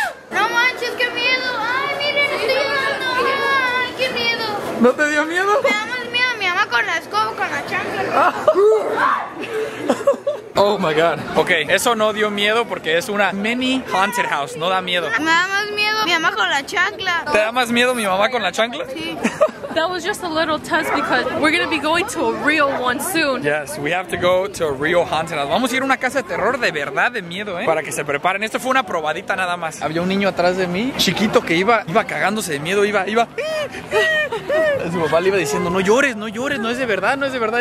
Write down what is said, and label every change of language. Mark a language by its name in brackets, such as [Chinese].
[Spanish] ¡No manches! ¡Qué miedo! ¡Ay, miren! ¡Estoy llorando! ¡Ay, qué miedo! ¿No te dio miedo? Me da más miedo a mi mamá con la escoba, con la chancla. [English] Oh, my God. [Spanish] Ok, eso no dio miedo porque es una mini haunted house. No da miedo. Me da más miedo mi mamá con la chancla. ¿Te da más miedo mi mamá con la chancla? Sí. [English] That was just a little test because we're gonna be going to a real one soon. Yes, we have to go to a real haunted house. [Spanish] Vamos a ir a una casa de terror de verdad, de miedo, ¿eh? Para que se preparen. Esto fue una probadita nada más. Había un niño atrás de mí, chiquito, que iba cagándose de miedo. Iba. Su papá le iba diciendo, no llores, no llores, no es de verdad, no es de verdad.